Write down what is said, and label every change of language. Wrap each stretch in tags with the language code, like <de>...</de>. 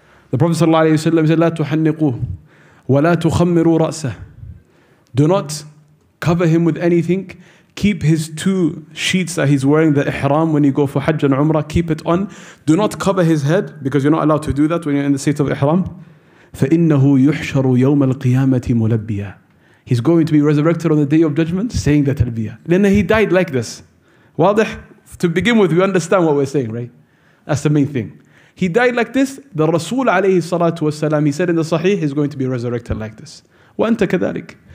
<en>The Prophet sallallahu alaihi wasallam said,</en> <ar>لا تحنقوا ولا تخمروا رأسه.</ar> <en>Do not cover him with anything. Keep his two sheets that he's wearing, the ihram, when you go for Hajj and Umrah, keep it on. Do not cover his head, because you're not allowed to do that when you're in the state of ihram.</en> <ar>فإنه يحشر يوم القيامة ملبيا.</ar> <en>He's going to be resurrected on the day of judgment, saying the talbiyah. Then he died like this. واضح? To begin with, we understand what we're saying, right? That's the main thing. He died like this. The Rasul alayhi salatu wasalam, he said in the Sahih, he's going to be resurrected like this.</en> <ar>وَأَنْتَ كَذَلِكَ.</ar>